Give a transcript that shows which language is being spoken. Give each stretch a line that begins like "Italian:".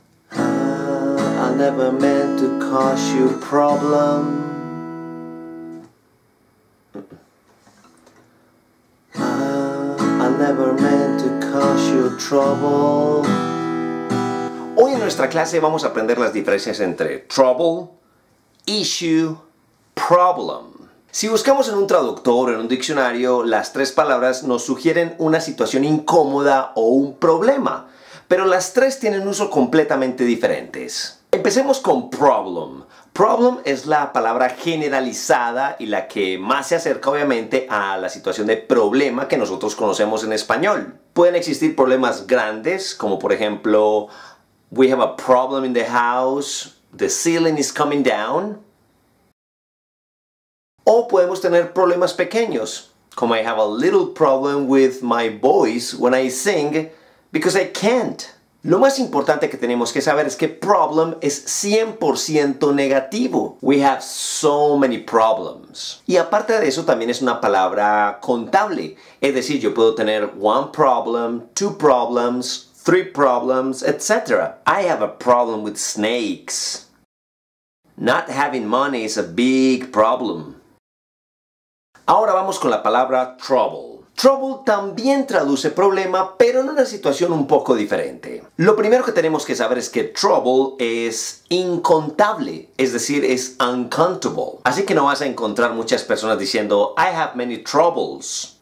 English: I never meant to cause you problem. I never meant to cause you trouble.
Spanish: Hoy en nuestra clase vamos a aprender las diferencias entre trouble, issue, problem. Si buscamos en un traductor o en un diccionario, las tres palabras nos sugieren una situación incómoda o un problema. Pero las tres tienen usos completamente diferentes. Empecemos con problem. Problem es la palabra generalizada y la que más se acerca obviamente a la situación de problema que nosotros conocemos en español. Pueden existir problemas grandes, como por ejemplo,
English: we have a problem in the house, the ceiling is coming down.
Spanish: O podemos tener problemas pequeños, como
English: I have a little problem with my voice when I sing because I can't.
Spanish: Lo más importante que tenemos que saber es que problem es 100% negativo.
English: We have so many problems.
Spanish: Y aparte de eso, también es una palabra contable. Es decir, yo puedo tener
English: one problem, two problems, three problems,
Spanish: etc.
English: I have a problem with snakes. Not having money is a big problem.
Spanish: Ahora vamos con la palabra trouble. Trouble también traduce problema, pero en una situación un poco diferente. Lo primero que tenemos que saber es que trouble es incontable, es decir, es uncountable. Así que no vas a encontrar muchas personas diciendo,
English: I have many troubles.